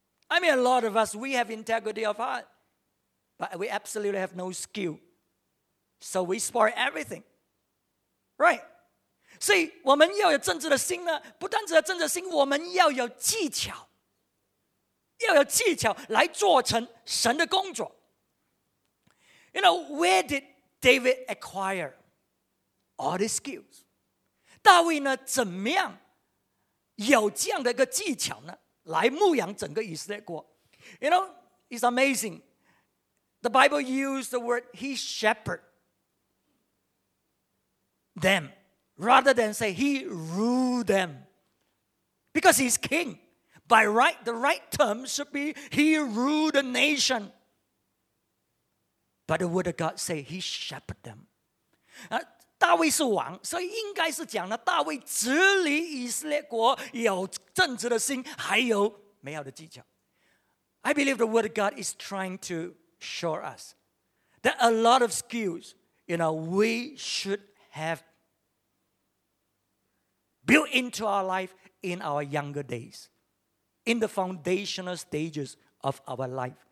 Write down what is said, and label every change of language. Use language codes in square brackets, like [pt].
[en] I mean, a lot of us, we have integrity of heart, but we absolutely have no skill. So we spoil everything. Right? [zh] 所以我们要有正直的心呢，不单只要正直的心，我们要有技巧来做成神的工作。 [en] You know, where did David acquire all these skills? [zh] 大卫呢，怎么样有这样的一个技巧呢，来牧养整个以色列国。 [en] You know, it's amazing. The Bible used the word he shepherd them rather than say he rule them. Because he's king. By right, the right term should be he rule the nation. But the word of God say he shepherd them. [zh] 大卫是王，所以应该是讲了大卫治理以色列国有正直的心，还有美好的技巧。 [en] I believe the word of God is trying to show us that a lot of skills, you know, we should have built into our life in our younger days, in the foundational stages of our life.